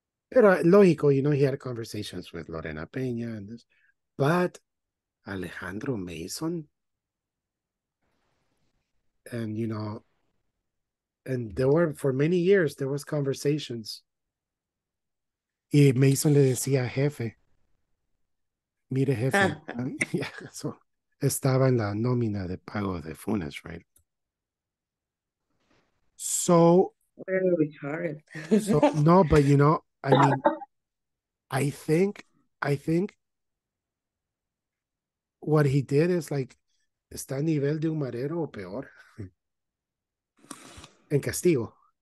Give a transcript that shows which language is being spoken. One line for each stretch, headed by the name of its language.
Spanish: Pero lógico,
English: you know, he had conversations with Lorena Peña and this. But Alejandro Mason, and you know, and there were, for many years, there was conversations.
Spanish: Y Mason le decía a jefe, mire jefe, Ah. eso estaba en la nómina de pago de funes,
English: right? So, Retarded. no, but you know, I mean, I think what he did is like,
Spanish: está a nivel de un marero o peor, en castigo.